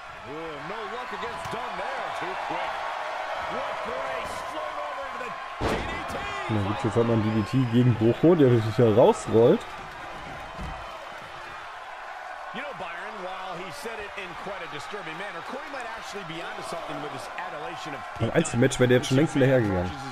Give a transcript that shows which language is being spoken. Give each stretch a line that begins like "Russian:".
English: Ooh, no luck against Dunn there. Too quick. What grace.
German: Na gut, jetzt hat man DDT gegen Bruchow, der sich ja rausrollt.
English: You know, Byron, while he said it in quite a disturbing manner, Corey might actually be onto something with his adulation of
German: Pete. Beim Einzelmatch wäre der jetzt schon längst wieder hergegangen.